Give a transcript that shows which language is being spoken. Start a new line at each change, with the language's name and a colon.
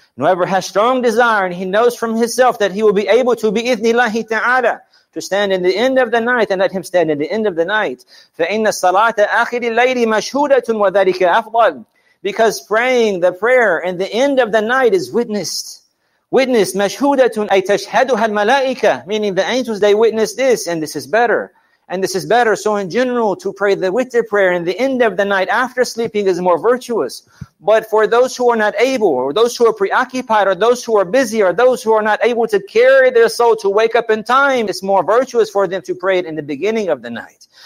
English: Whoever has strong desire and he knows from himself that he will be able to bi-ithnillahi ta'ala to stand in the end of the night, and let him stand in the end of the night.
Arabic: فَإِنَّ الصَّلَاةَ أَخِرِ اللَّيْلِ مَشْهُودَةٌ وَذَلِكَ أَفْضَلٌ.
English: Because praying the prayer in the end of the night is witnessed. Witnessed,
Arabic: مَشْهُودَةٌ أَيْ تَشْهَدُهَا الْمَلَائِكَةُ.
English: Meaning the angels, they witness this, and this is better. And this is better. So in general, to pray the witr prayer in the end of the night after sleeping is more virtuous. But for those who are not able, or those who are preoccupied, or those who are busy, or those who are not able to carry their soul to wake up in time, it's more virtuous for them to pray it in the beginning of the night.